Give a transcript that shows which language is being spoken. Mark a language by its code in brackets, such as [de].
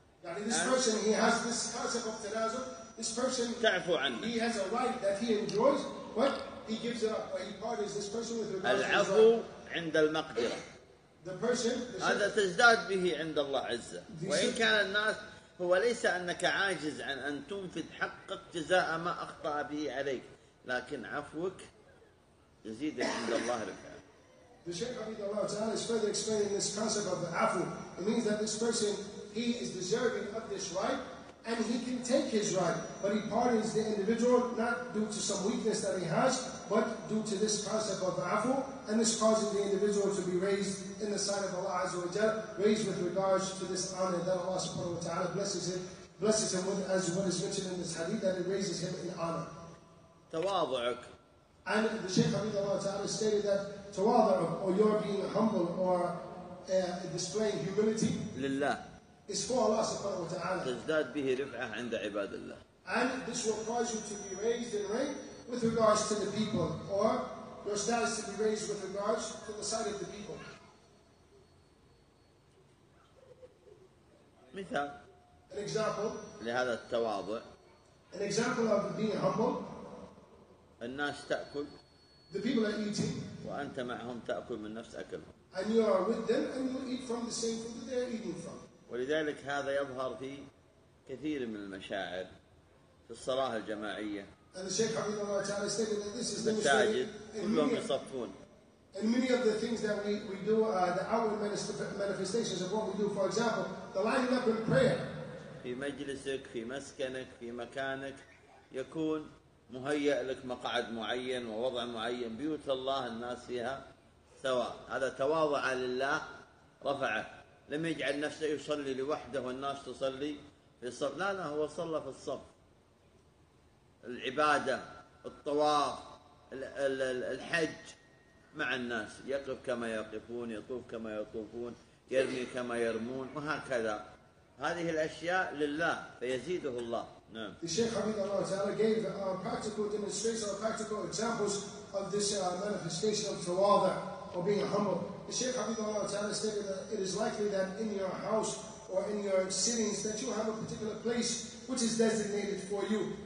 [en] يعني this person he has this concept of تنازل. This person [ar] تعفو عنه. [en] He has a right that he enjoys, but he gives it up. He pardons this person with regard. [ar] العفو عند المقدرة. [en] The person. [ar] هذا تزداد به عند الله عز وإن كان الناس. هو ليس أنك عاجز عن أن تنفذ حقك جزاء ما أخطأ به عليك، لكن عفوك يزيد عند الله رفعة. [en] The Shaykh Hafidhullah Ta'ala is further explaining this concept of the afu. It means that this person, he is deserving of this right, and he can take his right, but he pardons the individual not due to some weakness that he has, but due to this concept of the afu, and this causes the individual to be raised in the sight of Allah Azza wa Jal, raised with regards to this honor that Allah Subhanahu wa Taala blesses him with, as what is mentioned in this hadith, that it raises him in honor. [ar] تواضعك. [en] And the Shaykh Hafidhullah Ta'ala stated that تواضعك, or your being humble, or displaying humility, [ar] لله. [en] Is for Allah Subhanahu wa Taala. [ar] تزداد به رفعة عند عباد الله. [en] And this will cause you to be raised in rank with regards to the people, or your status to be raised with regards to the sight of the people. [ar] مثال. [en] An example. [ar] لهذا التواضع. [en] An example of being humble. [ar] الناس تأكل. [en] The people are eating. [ar] وأنت معهم تأكل من نفس أكلهم. [en] And you are with them and you eat from the same food that they are eating from. [ar] ولذلك هذا يظهر في كثير من المشاعر في الصلاة الجماعية. [en] And the Shaykh Hafidhullah Ta'ala stated that this is [ar] المساجد كلهم يصفون. [en] And many of the things that we do, the outward manifestations of what we do, for example, the lining up in prayer. [ar] في مجلسك في مسكنك في مكانك يكون مهيئ لك مقعد معين ووضع معين بيوت الله الناس فيها سواء هذا تواضع لله رفعه. لم يجعل نفسه يصلي لوحده والناس تصلي في الصف. لا هو صلى في الصف. العبادة الطواف الحج مع الناس يقف كما يقفون يطوف كما يطوفون يرمي كما يرمون وهكذا هذه الأشياء لله فيزيده الله. نعم. [en] The Shaykh Hafidhullah Ta'ala gave a practical demonstration or practical examples of this manifestation of tawadhu or being humble. The Shaykh Hafidhullah Ta'ala stated that it is likely that in your house or in your sittings that you have a particular place which is designated for you.